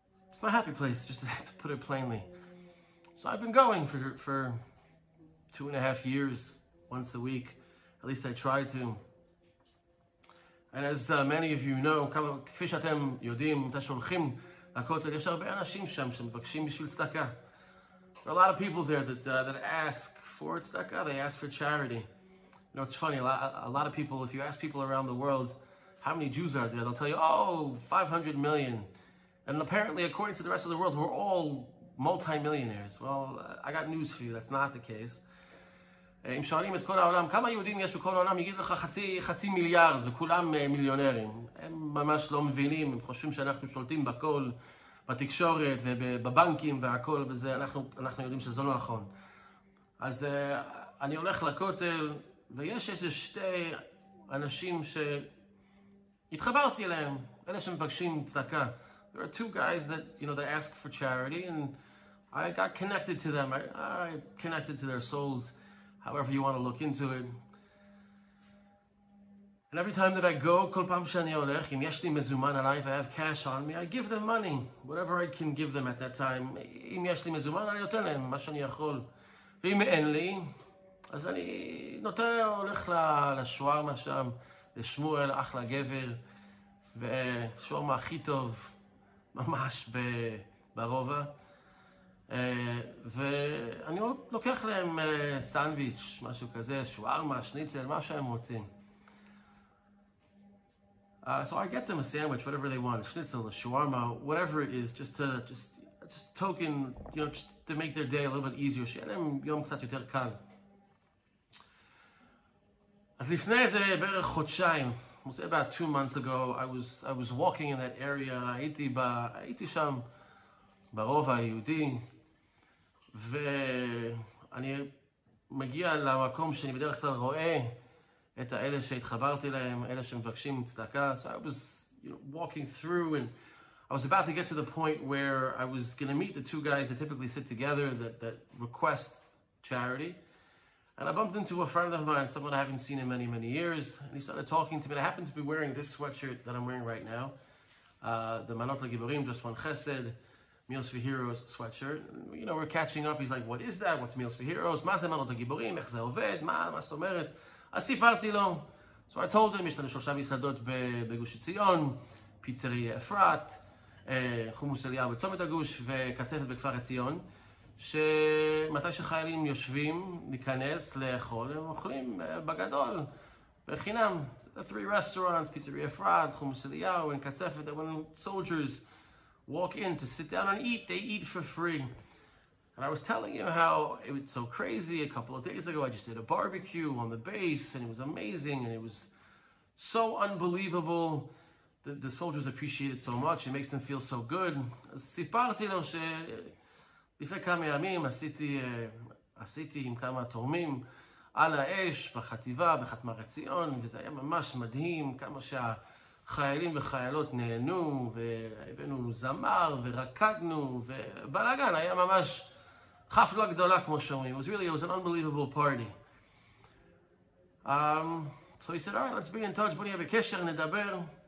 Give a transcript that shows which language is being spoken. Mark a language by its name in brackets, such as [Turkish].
[English] It's my happy place, just to put it plainly. So I've been going for 2.5 years once a week. At least I try to. And as many of you know, [Hebrew] כפי שאתם יודעים, אתם שולחים לכותל, יש הרבה אנשים שם שמבקשים בשביל צדקה. [English] There are a lot of people there that ask for צדקה, they ask for charity. You know, it's funny, a lot of people, if you ask people around the world, how many Jews are there, they'll tell you, oh, 500 million. And apparently, according to the rest of the world, we're all multimillionaires. Well, I got news for you, that's not the case. [Hebrew] אם שואלים את כל העולם, כמה יהודים יש בכל העולם, יגיד לך חצי מיליארד, וכולם מיליונרים. הם ממש לא מבינים, הם חושבים שאנחנו שולטים בכל, בתקשורת ובבנקים והכל, וזה, אנחנו יודעים שזה לא נכון. אז אני הולך לכותל, ויש איזה שתי אנשים שהתחברתי אליהם, אלה שמבקשים צדקה. [English] There are two guys that, you know, they ask for charity, and I got connected to them, I connected to their souls. However you want to look into it. And every time that I go, [Hebrew] כל פעם שאני הולך, אם יש לי מזומן עליי, [English] if I have cash on me, I give them money. Whatever I can give them at that time. [Hebrew] אם יש לי מזומן, אני נותן להם מה שאני יכול. ואם אין לי, אז אני נותן, הולך לשוארמה שם, לשמואל, אחלה גבר, ושוארמה הכי טוב, ממש ברובע. ואני לוקח להם סנדוויץ', משהו כזה, שוארמה, שניצל, מה שהם רוצים. [English] So I get them a sandwich, whatever they want, schnitzel, shawarma, whatever it is, just token, you know, just to make their day a little bit easier. [Hebrew] שיהיה להם יום קצת יותר קל. אז לפני זה בערך חודשיים, [English] was about 2 months ago, I was walking in that area, [Hebrew] הייתי שם ברובע היהודי, ואני מגיע למקום שאני בדרך כלל רואה את האלה שהתחברתי להם, אלה שמבקשים צדקה. [English] So I was, you know, walking through, and I was about to get to the point where I was going to meet the two guys that typically sit together that request charity. And I bumped into a friend of mine, someone I haven't seen in many, many years. And he started talking to me. And I happened to be wearing this sweatshirt that I'm wearing right now. The Manot LeGiborim, Just One Chesed. Meals for Heroes sweatshirt. You know, we're catching up. He's like, what is that? What's Meals for Heroes? [Hebrew] מה זה מנות הגיבורים? איך זה עובד? מה זאת אומרת? אז סיפרתי לו. [English] So I told him, [Hebrew] יש לנו שלושה מסעדות בגוש ציון, פיצריה אפרת, חומוס עלייה בצומת הגוש, וכתפת בכפר הציון, שמתי שחיילים יושבים, ניכנס, לאכול, הם אוכלים בגדול, בחינם. [English] The three restaurants, פיצריה אפרת, חומוס עלייה, וכתפת, and soldiers walk in to sit down and eat. They eat for free. And I was telling him how it was so crazy. A couple of days ago, I just did a barbecue on the base, and it was amazing, and it was so unbelievable. The soldiers appreciate it so much. It makes them feel so good. [Hebrew] סיפרתי לו שלפני כמה ימים עשיתי עם כמה תורמים על האש בחטיבה, בחטמר הציון, וזה היה ממש מדהים כמה שה... חיילים וחיילות נהנו, והבאנו זמר ורקדנו, ובלגן, היה ממש חפלה גדולה כמו שאומרים. [English] It was an unbelievable party. So he said, all right, let's be in touch, [Hebrew] בוא נהיה בקשר, נדבר.